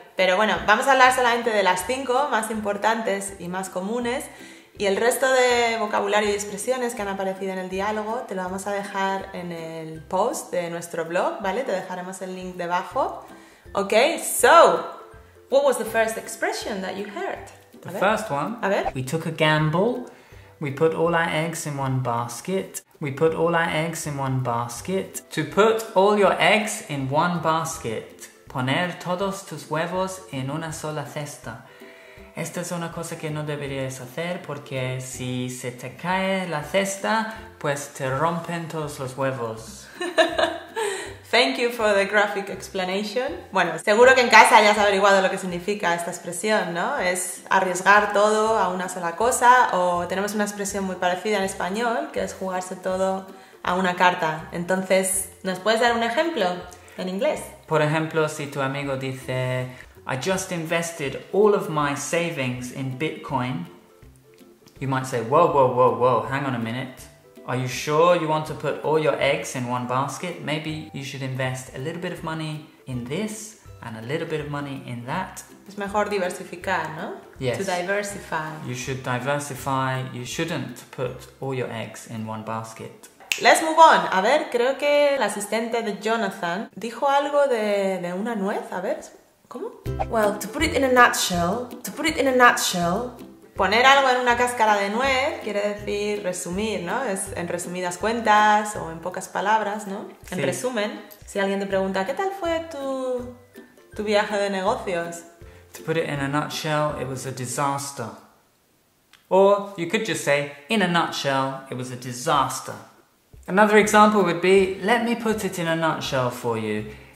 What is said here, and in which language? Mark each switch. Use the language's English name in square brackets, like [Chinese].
[Spanish] Pero bueno, vamos a hablar solamente de las 5 más importantes y más comunes. Y el resto de vocabulario y expresiones que han aparecido en el diálogo te lo vamos a dejar en el post de nuestro blog, ¿vale? Te dejaremos el link debajo. [English] Ok, so, what was the first expression that you heard? [Spanish] A ver. [English] We took a gamble. We put all our eggs in one basket. We put all our eggs in one basket. To put all your eggs in one basket. [Spanish] Poner todos tus huevos en una sola cesta. Esta es una cosa que no deberías hacer porque si se te cae la cesta, pues te rompen todos los huevos. [English] Thank you for the graphic explanation. [Spanish] Bueno, seguro que en casa hayas averiguado lo que significa esta expresión, ¿no? Es arriesgar todo a una sola cosa, o tenemos una expresión muy parecida en español, que es jugarse todo a una carta. Entonces, ¿nos puedes dar un ejemplo en inglés? Por ejemplo, si tu amigo dice, [English] I just invested all of my savings in Bitcoin. You might say, whoa, whoa, whoa, whoa, hang on a minute. Are you sure you want to put all your eggs in one basket? Maybe you should invest a little bit of money in this and a little bit of money in that. [Spanish] Es mejor diversificar, ¿no? [English] Yes. To diversify. You should diversify. You shouldn't put all your eggs in one basket. Let's move on. [Spanish] A ver, creo que el asistente de Jonathan dijo algo de una nuez. A ver, ¿cómo? [English] Well, to put it in a nutshell, [Spanish] poner algo en una cáscara de nuez quiere decir resumir, ¿no? Es en resumidas cuentas o en pocas palabras, ¿no? En sí. Resumen, si alguien te pregunta, ¿qué tal fue tu viaje de negocios? [English] To put it in a nutshell, it was a disaster. Or you could just say, in a nutshell, it was a disaster. Another example would be, let me put it in a nutshell for you.